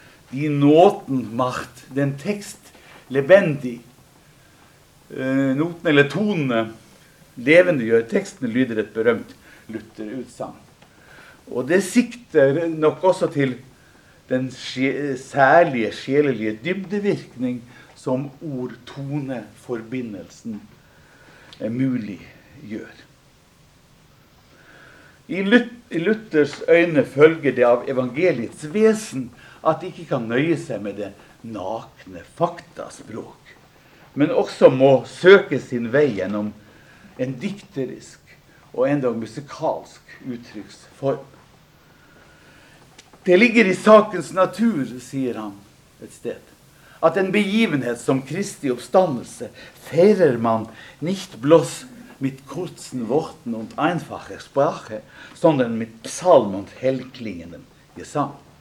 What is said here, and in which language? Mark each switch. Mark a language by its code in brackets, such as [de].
[de] Die Noten macht den Text lebendig. [no] Noten eller tonene levende gjør teksten, lyder et berømt Luther-utsagn. Og det sikter nok også til den særlige sjelelige dybdevirkning som ord-tone-forbindelsen muliggjør. I Luthers øyne følger det av evangeliets vesen at de ikke kan nøye seg med det nakne faktaspråk, men også må søke sin vei gjennom en dikterisk og enda musikalsk uttrycksform. Det ligger i sakens natur, sier han et sted, at en begivenhet som Kristi oppstandelse feirer man [de] nicht bloss mit kurzen Worten und einfacher Sprache, sondern mit psalm und hellklingende Gesang.